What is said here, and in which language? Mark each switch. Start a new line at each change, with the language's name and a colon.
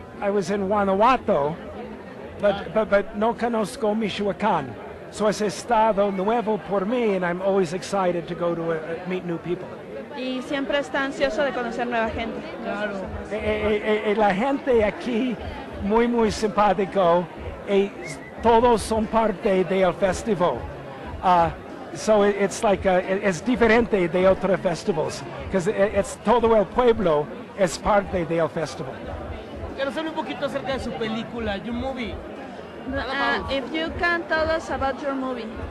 English: I was in Guanajuato, but
Spanish: no conozco Michoacán,
English: so
Spanish: es estado nuevo por mí,
English: and I'm always excited to go to meet new people.
Spanish: Y siempre está ansioso de conocer nueva gente. Claro. La gente aquí muy muy simpático y todos son parte del festival, es diferente de otros festivals porque es todo el pueblo es parte del festival. Quiero saber un poquito acerca de su película,
English: your movie. If you can tell us about your movie.